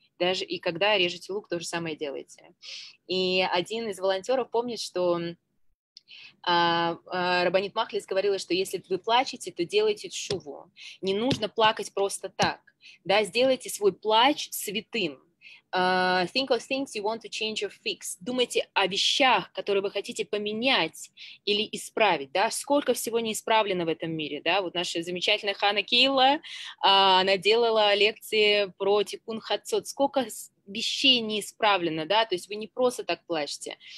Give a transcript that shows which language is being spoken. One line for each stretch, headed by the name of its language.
Russian: Даже и когда режете лук, то же самое делаете. И один из волонтеров помнит, что Рабанит Махлис говорила, что если вы плачете, то делайте шуву. Не нужно плакать просто так. Да, сделайте свой плач святым.
English: Think of things you want to change or fix.
Russian: Думайте о вещах, которые вы хотите поменять или исправить, да, сколько всего не исправлено в этом мире, да, вот наша замечательная Хана Кейла, она делала лекции про Тикун Хацот, сколько вещей не исправлено, да, то есть вы не просто так плачете.